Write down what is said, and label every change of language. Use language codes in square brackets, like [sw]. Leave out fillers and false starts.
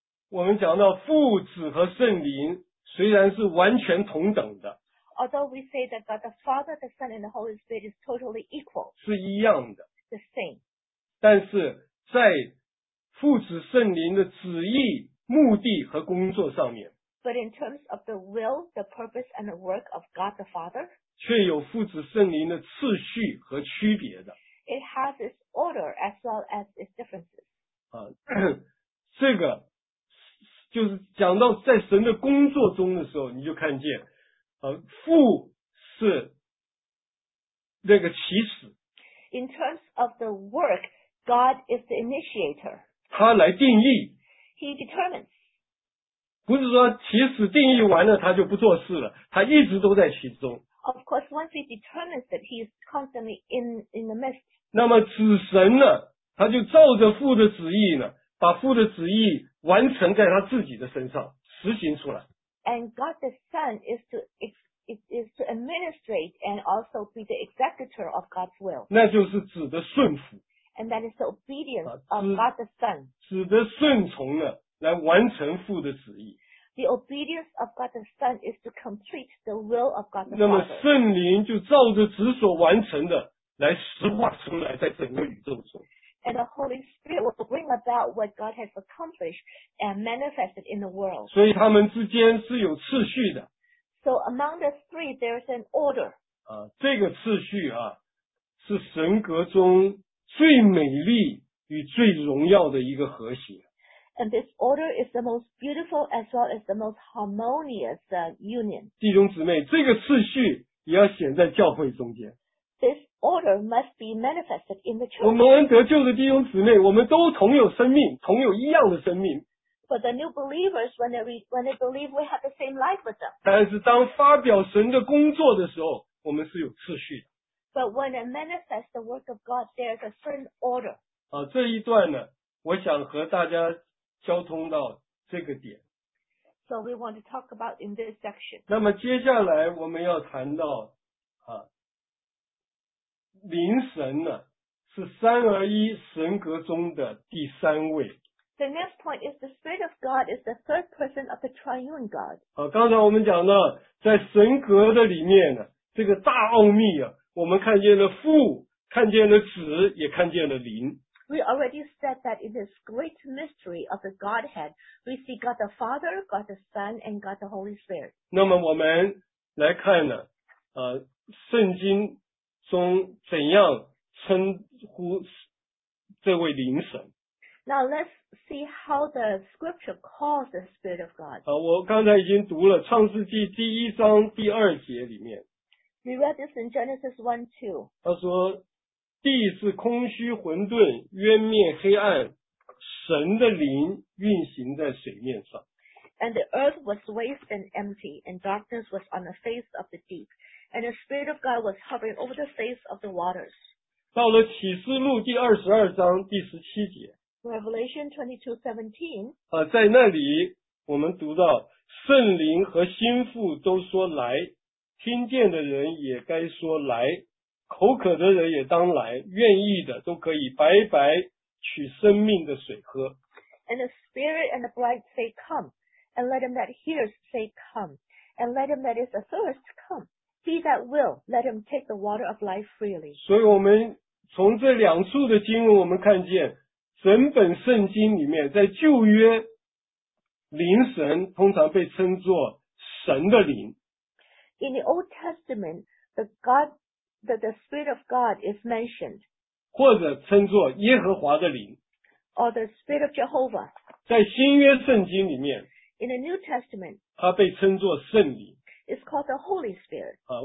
[zh] 我们讲到父子和圣灵虽然是完全同等的。 [en] Although we say that God the Father, the Son, and the Holy Spirit is totally equal. [zh] 是一样的。 [en] The same. [zh] 但是在父子圣灵的旨意、目的和工作上面。 [en] But in terms of the will, the purpose, and the work of God the Father. [zh] 却有父子圣灵的次序和区别的。 [en] It has its order as well as its differences. [zh] 这个就是讲到在神的工作中的时候你就看见。父是那个起始。 [en] In terms of the work, God is the initiator. [zh] 他来定义。 [en] He determines. [zh] 不是说起始定义完了他就不做事了，他一直都在其中。 [en] Of course, once he determines that, he is constantly in the midst. [zh] 那么子神呢，他就照着父的旨意呢，把父的旨意完成在他自己的身上，实行出来。 [en] And God the Son is to administrate and also be the executor of God's will. [zh] 那就是指的顺服。 [en] And that is the obedience of God the Son. [zh] 指的顺从的来完成父的旨意。 [en] The obedience of God the Son is to complete the will of God the Father. [zh] 那么圣灵就照着旨所完成的来实化出来，在整个宇宙中。 [en] And the Holy Spirit will bring about what God has accomplished and manifested in the world. [zh] 所以他们之间是有次序的。 [en] So among the three, there is an order. [zh] 这个次序啊，是神格中最美丽与最荣耀的一个和谐。 [en] And this order is the most beautiful as well as the most harmonious union. [zh] 弟兄姊妹，这个次序也要显在教会中间。 [en] This order must be manifested in the church. [zh] 我们恩得救的弟兄姊妹，我们都同有生命，同有一样的生命。 [en] But the new believers, when they believe, we have the same life with them. [zh] 但是当发表神的工作的时候，我们是有次序的。 [en] But when it manifests the work of God, there is a certain order. [zh] 这一段呢，我想和大家交通到这个点。 [en] So we want to talk about in this section. [zh] 那么接下来我们要谈到灵神呢，是三而一神格中的第三位。 [en] The next point is the Spirit of God is the third person of the Triune God. [zh] 刚才我们讲到，在神格的里面呢，这个大奥秘啊，我们看见了父，看见了子，也看见了灵。 [en] We already said that in this great mystery of the Godhead, we see God the Father, God the Son, and God the Holy Spirit. [zh] 那么我们来看呢，圣经中怎样称呼这位灵神。 [en] Now let's see how the scripture calls the Spirit of God. [zh] 我刚才已经读了创世纪第一章第二节里面。 [en] We read this in Genesis 1:2. [zh] 他说地是空虚混沌，渊面黑暗，神的灵运行在水面上。 [en] And the earth was waste and empty, and darkness was on the face of the deep, and the Spirit of God was hovering over the face of the waters. [zh] 到了启示录第22章第17节。 [en] Revelation 22:17. [zh] 在那里我们读到圣灵和心腹都说来，听见的人也该说来，口渴的人也当来，愿意的都可以白白取生命的水喝。 [en] And the Spirit and the bride say, Come, and let him that hears say, Come, and let him that is athirst come. He that will, let him take the water of life freely. [zh] 所以我们从这两处的经文，我们看见整本圣经里面，在旧约，灵神通常被称作神的灵。 [en] In the Old Testament, the Spirit of God is mentioned. [zh] 或者称作耶和华的灵。 [en] Or the Spirit of Jehovah. [zh] 在新约圣经里面。 [en] In the New Testament. [zh] 它被称作圣灵。 [en] It's called the Holy Spirit.